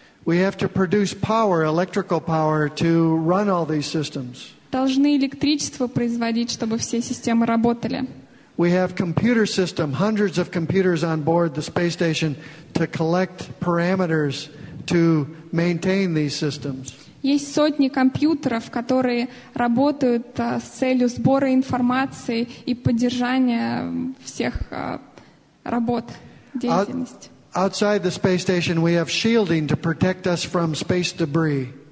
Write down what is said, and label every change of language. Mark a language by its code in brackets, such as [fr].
[en] We have to produce power, electrical power, to run all these systems. [ru] Должны электричество производить, чтобы все системы работали. [en] We have computer system, hundreds of computers on board the space station to collect parameters to maintain these systems. [ru] Есть сотни компьютеров, которые работают с целью сбора информации и поддержания всех работ, деятельности. [en] Outside the space station we have shielding to protect us from space debris.